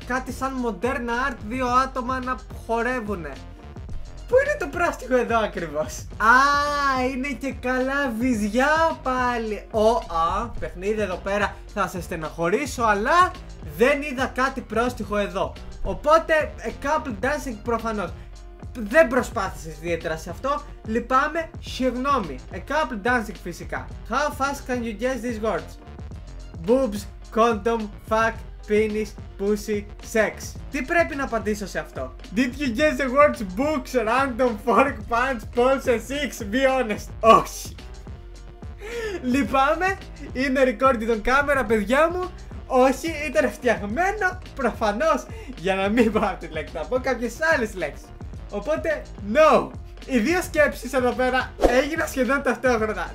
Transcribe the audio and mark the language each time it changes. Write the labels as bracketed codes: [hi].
[el] Κάτι σαν μοντέρνα art, δύο άτομα να χορεύουνε. Πού είναι το πρόστιχο εδώ ακριβώς? Α, είναι και καλά βυζιά πάλι. Ωα, παιχνίδι, εδώ πέρα θα σε στεναχωρήσω, αλλά δεν είδα κάτι πρόστιχο εδώ. Οπότε, [en] a couple dancing [el] προφανώς. Δεν προσπάθησες ιδιαίτερα σε αυτό. Λυπάμαι, συγγνώμη. [en] A couple dancing [el] φυσικά. [en] How fast can you guess these words? Boobs, condom, fuck, penis, pussy, sex. [el] Τι πρέπει να απαντήσω σε αυτό? [en] Did you guess the words books, random, fork, punch, pulse and six? Be honest. [el] Όχι. Λυπάμαι, είναι [en] recorded on camera, [el] παιδιά μου. Όχι, ήταν φτιαγμένο προφανώς για να μην πάω τη λέξη, θα πω κάποιες άλλες λέξεις. Οπότε, no. Οι δύο σκέψεις εδώ πέρα έγιναν σχεδόν ταυτόχρονα.